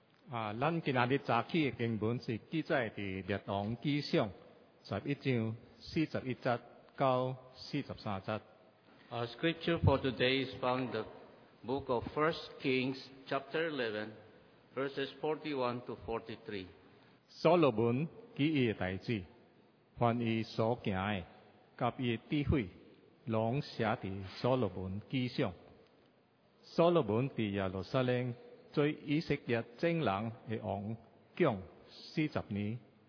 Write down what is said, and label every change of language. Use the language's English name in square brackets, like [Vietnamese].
[Min Nan Chinese] 咱今仔日早起的经文是记载伫《列王纪上》11:41-43。 [English] Our scripture for today is found in the book of 1 Kings, chapter 11, verses 41-43. [Min Nan Chinese] 所罗门记忆的代志，凡伊所行的，甲伊的智慧，拢写伫《所罗门记上》。所罗门伫耶路撒冷做以色列正人的王，共40年。